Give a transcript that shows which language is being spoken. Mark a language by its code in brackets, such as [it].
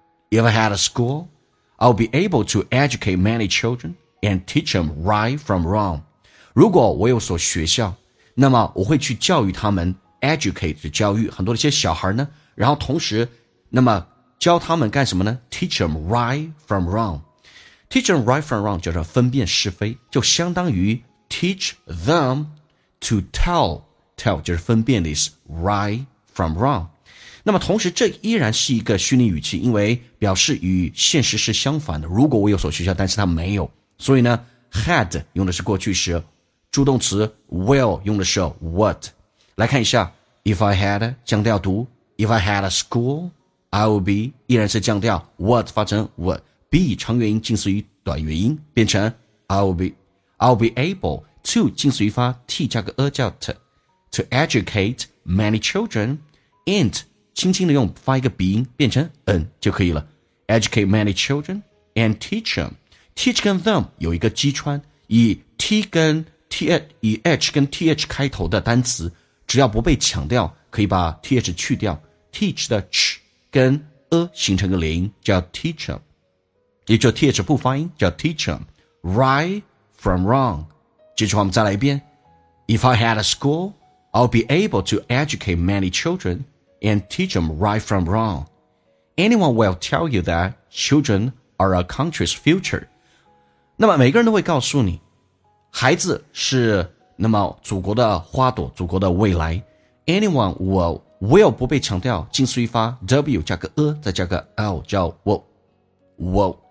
[en] if I had a school, I'll be able to educate many children and teach them right from wrong. [zh] 如果我有所学校，那么我会去教育他们 educate 的教育很多的一些小孩呢。然后同时那么教他们干什么呢？ [en] Teach them right from wrong。 Teach them right from wrong [zh] 叫做分辨是非，就相当于 [en] Teach them to tell， [zh] tell 就是分辨的意思， [en] right from wrong。 [zh] 那么同时这依然是一个虚拟语气，因为表示与现实是相反的，如果我有所学校但是他没有，所以呢 had 用的是过去时，助动词 will 用的是 would。来看一下 [en] if I had [zh] 降调读 [en] If I had a school, I would be [zh] 依然是降调 what 发成 would be 长元音近似于短元音，变成 [en] I will be able to [zh] 近似于发 t 加个 叫 to [en] educate many children and [zh] 轻轻的用发一个鼻音变成 就可以了。 [en] Educate many children and teach them. [zh] Teach 跟 them 有一个击穿，以 t 跟 t 以 h 跟 th 开头的单词，只要不被强调。可以把 th 去掉， teach 的 ch 跟 形成个连音叫 [en] teach them， [zh] 也就 th 不发音叫 teach them [en] right from wrong。 [zh] 接着我们再来一遍， [en] If I had a school, I'll be able to educate many children and teach them right from wrong. Anyone will tell you that children are a country's future. [zh] 那么每个人都会告诉你孩子是那么祖国的花朵，祖国的未来。 [en] Anyone will [zh] 不被强调，近似于发 w 加个 再加个 l 叫 will。